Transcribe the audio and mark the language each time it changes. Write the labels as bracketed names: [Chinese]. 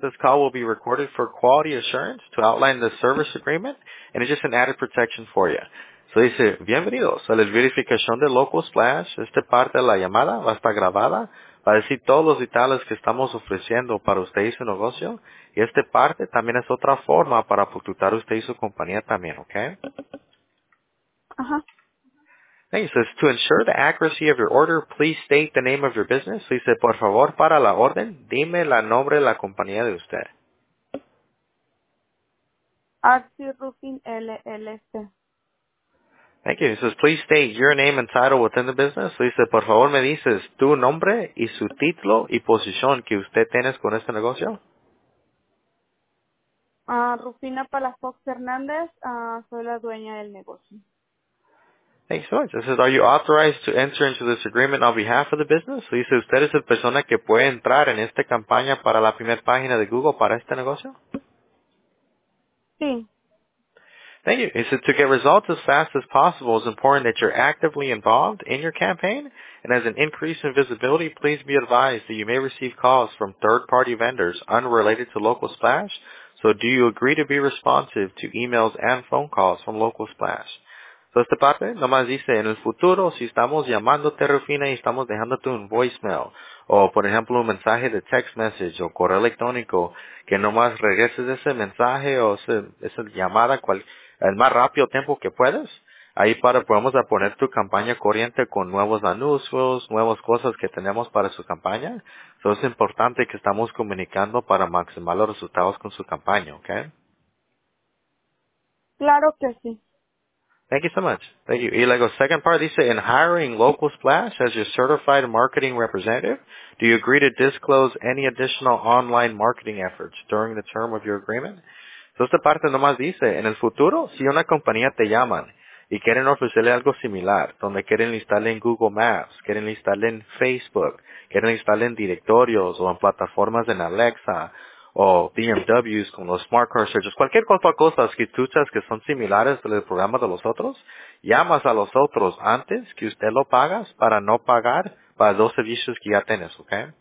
[English] This call will be recorded for quality assurance to outline the service agreement, and it's just an added protection for you. [Spanish] So dice, bienvenidos a la verificación de Local Splash. Esta parte de la llamada va a estar grabada para decir todos los detalles que estamos ofreciendo para usted y su negocio. Y esta parte también es otra forma para facturar usted y su compañía también, ¿ok? Ajá. [English] Y he says, to ensure the accuracy of your order, please state the name of your business. [Spanish] So dice, por favor, para la orden, dime el nombre de la compañía de usted. [English] Archie Roofing LLC. Thank you. He says, please state your name and title within the business. So he said, [Spanish] por favor, me dices tu nombre y su título y posición que usted tienes con este negocio. Rufina Palafox Hernández, soy la dueña del negocio. [English] Thank you so much. He says, are you authorized to enter into this agreement on behalf of the business? So he says, [Spanish] usted es la persona que puede entrar en esta campaña para la primera página de Google para este negocio. Sí. [English] Thank you. He said, to get results as fast as possible, it's important that you're actively involved in your campaign. And as an increase in visibility, please be advised that you may receive calls from third-party vendors unrelated to Local Splash. So do you agree to be responsive to emails and phone calls from Local Splash? [Spanish] So esta parte nomás dice, en el futuro, si estamos llamándote, Rufina, y estamos dejándote un voicemail, o por ejemplo, un mensaje de text message o correo electrónico, que nomás regreses ese mensaje o esa llamada el más rápido tiempo que puedes, ahí para podemos poner tu campaña corriente con nuevos anuncios, nuevas cosas que tenemos para su campaña. So es importante que estamos comunicando para maximizar los resultados con su campaña, ¿ok? Claro que sí. [English] Thank you so much. Thank you. [Spanish] Y luego, [English] second part, dice, in hiring Local Splash as your certified marketing representative, do you agree to disclose any additional online marketing efforts during the term of your agreement? [Spanish] So esta parte nomás dice, en el futuro, si una compañía te llama y quieren ofrecerle algo similar, donde quieren instalarle en Google Maps, quieren instalarle en Facebook, quieren instalarle en directorios o en plataformas en Alexa o BMWs con los smart car searches, cualquier cosa que tú sabes que son similares del programa de los otros, llamas a los otros antes que usted lo pagas para no pagar para los servicios que ya tienes, ¿ok?